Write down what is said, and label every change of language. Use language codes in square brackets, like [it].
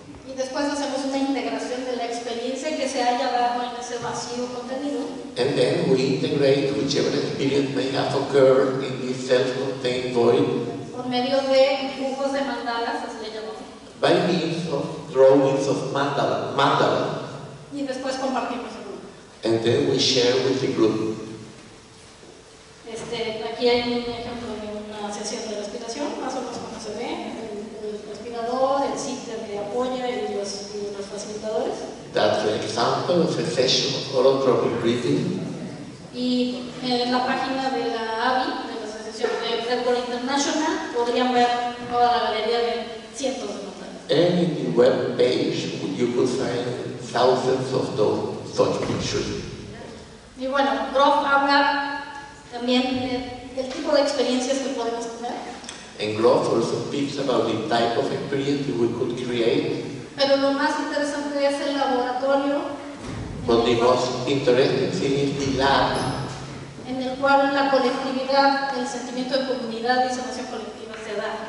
[es] Y después hacemos una integración de la experiencia que se haya dado en ese vacío contenido. [en] And then we integrate whichever experience may have occurred in this self-contained void. [es] Por medio de dibujos de mandalas, así le llamamos. [en] By means of drawings of mandalas. [es] Y después compartimos. [en] And then we share with the group. [es] Aquí hay un ejemplo de una sesión de respiración, más o menos como se ve, el respirador, el sitio que apoya y los facilitadores. [en] That's an example of a session of holotropic breathing. [es] Y en la página de la ABI, de la Asociación de Fretboard International, podrían ver toda la galería de cientos de materiales. [en] any web page, you could find thousands of those such pictures. [es] Y bueno, Rob habla también del tipo de experiencias que podemos tener. [en] And Groff also speaks about the type of experience we could create. [es] Pero lo más interesante es el laboratorio. [en] But the most interesting thing is the lab. [es] En el cual la colectividad, el sentimiento de comunidad y sensación colectiva se da.